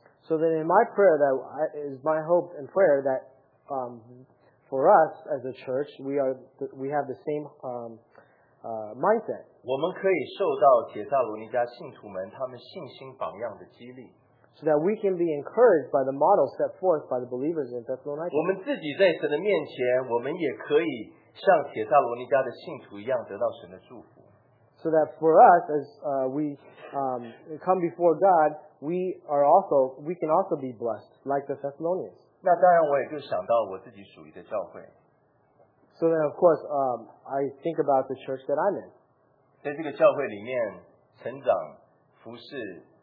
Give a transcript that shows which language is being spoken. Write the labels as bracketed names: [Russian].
[English] So then, in my prayer, that is my hope and prayer that for us as a church, we have the same mindset. [Chinese] 我们可以受到帖撒罗尼迦信徒们他们信心榜样的激励。 [English] So that we can be encouraged by the model set forth by the believers in Thessalonica. [Chinese] 我们自己在神的面前，我们也可以像帖撒罗尼迦的信徒一样得到神的祝福。 [English] So that for us, as come before God, we can also be blessed like the Thessalonians. [Chinese] 那当然，我也就想到我自己属于的教会。 [English] So then, of course, I think about the church that I'm in. [Chinese] 在这个教会里面成长、服侍。